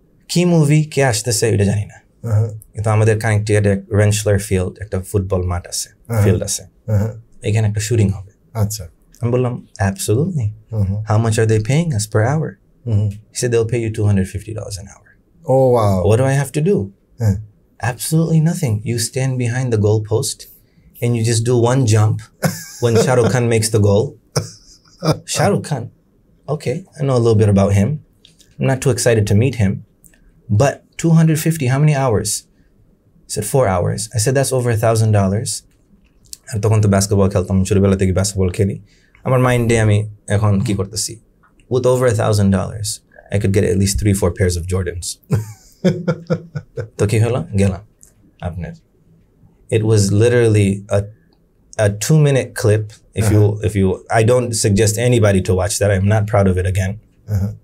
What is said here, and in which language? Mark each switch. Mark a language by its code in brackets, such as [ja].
[bn] কি মুভি কে আসতেছে ওইটা জানি না, কিন্তু আমাদের কানেক্টিকাটে রেঞ্চলার ফিল্ড, একটা ফুটবল মাঠ আছে, ফিল্ড আছে, এখানে একটা শুটিং হবে। আচ্ছা, [en] আমি বললাম absolutely, how much are they paying us per hour? He said they will pay you $250 an hour. Oh wow, what do I have to do? Absolutely nothing, you stand behind the goal post and you just do one jump when Shah Rukh Khan makes the goal. Shah Rukh Khan, okay, I know a little bit about him. I'm not too excited to meet him. But 250, how many hours? I said, 4 hours. I said, that's over $1,000. [bn] And তখন তো basketball খেলতাম, ছোটবেলা থেকে basketball খেলি. আমার মাইন্ডে আমি এখন কি করতেছি? [en] With over $1,000, I could get at least 3-4 pairs of Jordans. [bn] তো কি হলো? গেলাম আপনার. [en] It was literally a 2-minute clip. If you, I don't suggest anybody to watch that. I'm not proud of it again. Uh-huh.